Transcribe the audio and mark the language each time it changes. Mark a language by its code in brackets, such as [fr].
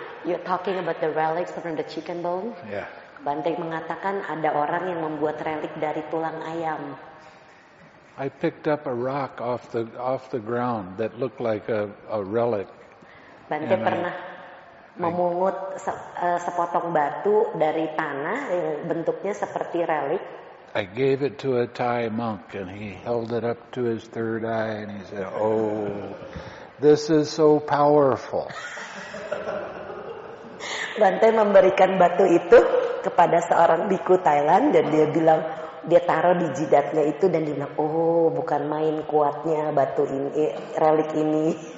[en] You're talking about the relics from the chicken bone? Yeah. [id] Banteng mengatakan ada orang yang membuat relik dari tulang ayam. [en] I picked up a rock off the ground that looked like a relic. [id] Banteng pernah memungut sepotong batu dari tanah yang bentuknya seperti relik. [en] I gave it to a Thai monk and he held it up to his third eye and he said, "Oh, this is so powerful." [id] Bante memberikan batu itu kepada seorang biku Thailand dan dia bilang, dia taruh di jidatnya itu dan dia bilang, "Oh, bukan main kuatnya batu ini, relik ini."